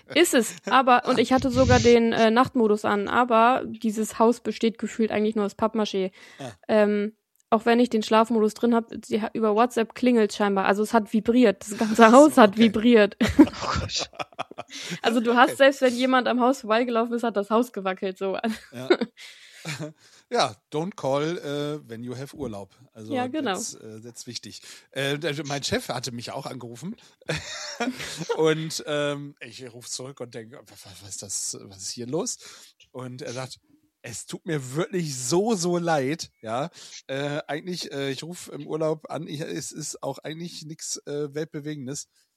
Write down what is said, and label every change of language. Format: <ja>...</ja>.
<de>Ist es, aber, und ich hatte sogar den Nachtmodus an, aber dieses Haus besteht gefühlt eigentlich nur aus Pappmaché. Ah. Auch wenn ich den Schlafmodus drin habe, über WhatsApp klingelt es scheinbar, also es hat vibriert, das ganze Haus hat vibriert. Also du hast, selbst wenn jemand am Haus vorbeigelaufen ist, hat das Haus gewackelt, so. Ja.</de> <en>Ja, don't call when you have Urlaub.</en> <de>Also ja, genau.</de> <en>That's wichtig.</en> <de>Mein Chef hatte mich auch angerufen und ich rufe zurück und denke, was ist hier los? Und er sagt, es tut mir wirklich so, so leid. Ja, eigentlich, ich rufe im Urlaub an, es ist auch eigentlich nichts Weltbewegendes.</de>